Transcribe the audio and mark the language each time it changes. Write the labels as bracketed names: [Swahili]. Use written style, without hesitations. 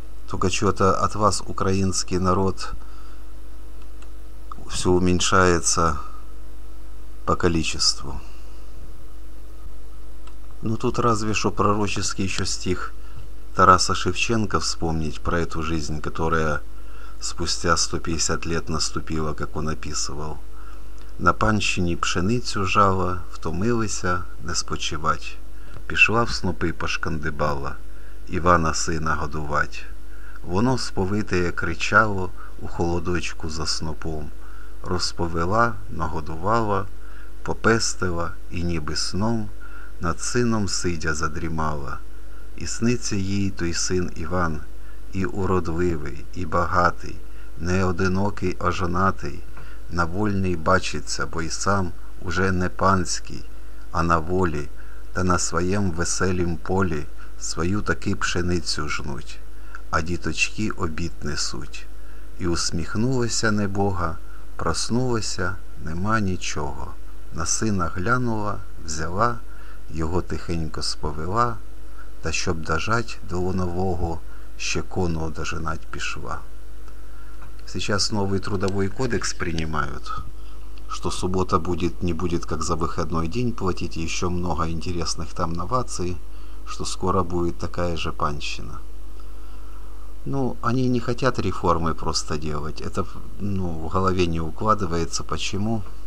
[Russian] Только что-то от вас украинский народ все уменьшается по количеству. Ну тут разве что пророческий еще стих Тараса Шевченко вспомнить про эту жизнь, которая спустя 150 лет наступила, как он описывал. [Ukrainian] На панщині пшеницю жала, втомилися не спочивать. Пішла в снопи пошкандибала, Івана сина годувать. Воно сповитеє кричало у холодочку за снопом. Розповела, нагодувала, попестила і ніби сном над сином сидя задрімала. І сниться їй той син Іван, і уродливий, і багатий, не одинокий, а жонатий, на вольній бачиться, бо й сам уже не панський, а на волі, та на своєм веселім полі свою таки пшеницю жнуть, а діточки обід несуть. І усміхнулася небога, проснулася, нема нічого. На сина глянула, взяла, його тихенько сповела, та щоб дожать до лунового, ще кону дожинать пішла. [Russian] Сейчас новый трудовой кодекс принимают, что суббота будет, не будет как за выходной день платить, и еще много интересных там новаций, что скоро будет такая же панщина. Ну, они не хотят реформы просто делать. Это, ну, в голове не укладывается, почему.